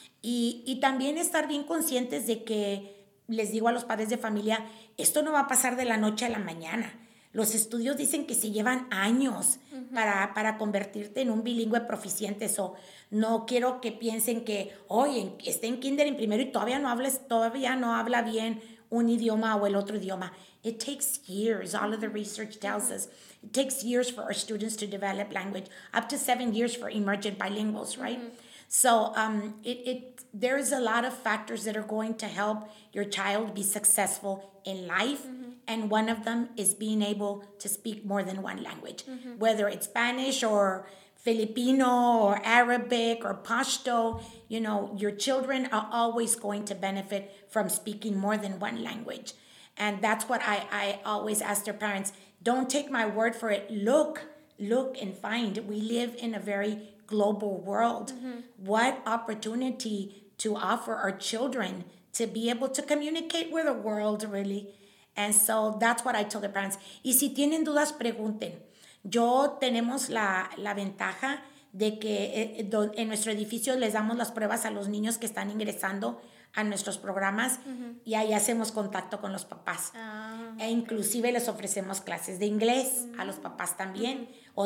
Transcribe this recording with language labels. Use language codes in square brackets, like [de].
[es] Y también estar bien conscientes de que, les digo a los padres de familia, esto no va a pasar de la noche a la mañana. Los estudios dicen que se llevan años para convertirte en un bilingüe proficiente. So, no quiero que piensen que, oye, esté en kinder en primero y todavía no habla bien un idioma o el otro idioma. [en] It takes years. All of the research tells us. It takes years for our students to develop language. Up to 7 years for emergent bilinguals, right? Mm-hmm. So there's a lot of factors that are going to help your child be successful in life. Mm-hmm. And one of them is being able to speak more than one language. Mm-hmm. Whether it's Spanish or Filipino or Arabic or Pashto, you know, your children are always going to benefit from speaking more than one language. And that's what I always ask their parents. Don't take my word for it. Look and find. We live in a very global world. Mm-hmm. What opportunity to offer our children to be able to communicate with the world, really. And so that's what I tell the parents. [es] Y si tienen dudas, pregunten. Yo tenemos la ventaja de que en nuestro edificio les damos las pruebas a los niños que están ingresando a nuestros programas, uh-huh. y ahí hacemos contacto con los papás. Uh-huh. E inclusive les ofrecemos clases de inglés, uh-huh. a los papás también. Uh-huh.